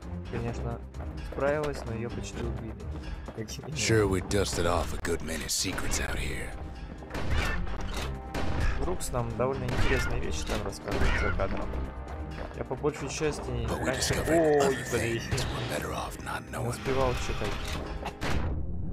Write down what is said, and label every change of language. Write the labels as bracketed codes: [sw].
[ru] Конечно, справилась, но ее почти убили. [en] Sure, we dusted off a good many secrets out here. [ru] Рукс нам довольно интересные вещи там рассказывает за кадром. Я по большей части не успевал читать.